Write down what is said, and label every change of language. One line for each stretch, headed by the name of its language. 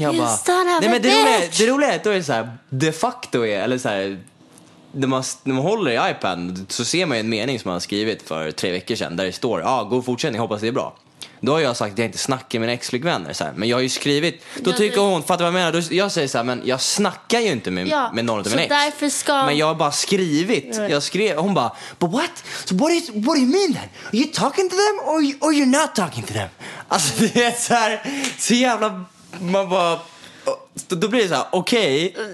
Swedish: Jag bara, nej, men det roliga är att det är så här, de facto är, eller så här, när man håller i iPad så ser man ju en mening som man har skrivit för 3 veckor sedan där det står, god fortsättning, hoppas det är bra. Då har jag sagt att jag inte snackar med mina ex-flickvänner så här, men jag har ju skrivit, då tycker hon, fattar vad jag menar, då jag säger så här, men jag snackar ju inte med någon av mina ex. Men jag har bara skrivit. Hon bara,
English: but what? So what do you mean then? Are you talking to them or you're not talking to them?
Swedish: Alltså det är så här, så jävla, man bara, då blir det så här, okej.